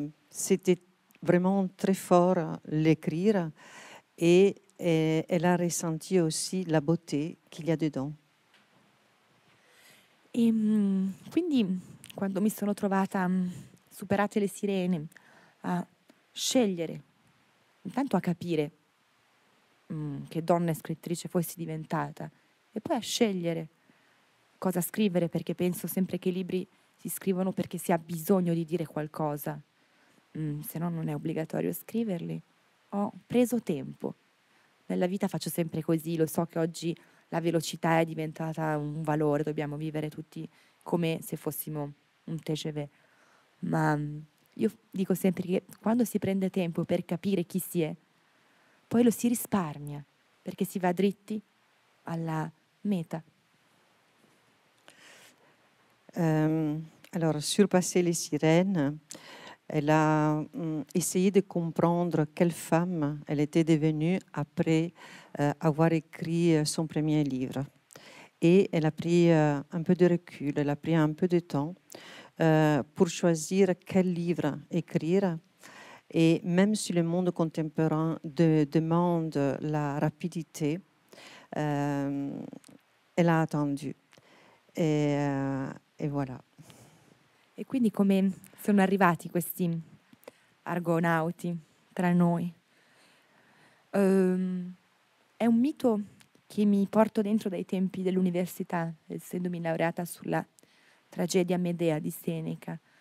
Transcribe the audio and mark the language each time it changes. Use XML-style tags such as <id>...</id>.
<fr>C'était vraiment très fort l'écrire, et elle a ressenti aussi la beauté qu'il y a dedans.</fr> <it>Et quindi, quando mi sono trovata superate le sirene, a scegliere, intanto a capire che donna e scrittrice fossi diventata e poi a scegliere cosa scrivere, perché penso sempre che i libri si scrivono perché si ha bisogno di dire qualcosa, se no non è obbligatorio scriverli. Ho preso tempo, nella vita faccio sempre così, lo so che oggi la velocità è diventata un valore, dobbiamo vivere tutti come se fossimo un TGV, ma io dico sempre che quando si prende tempo per capire chi si è, poi lo si risparmia, perché si va dritti alla meta.</it> <fr>Allora, surpasser les sirènes, elle a essayé de comprendre quelle femme elle était devenue après avoir écrit son premier livre. Et elle a pris un peu de recul, elle a pris un peu de temps pour choisir quel livre écrire. Et même si le monde contemporain demande la rapidité, elle a attendu. Et voilà.</fr> <it>Et quindi come sono arrivati questi argonauti tra noi? È un mito che mi porto dentro dai tempi dell'università, essendomi laureata sulla tragedia Medea di Seneca.</it>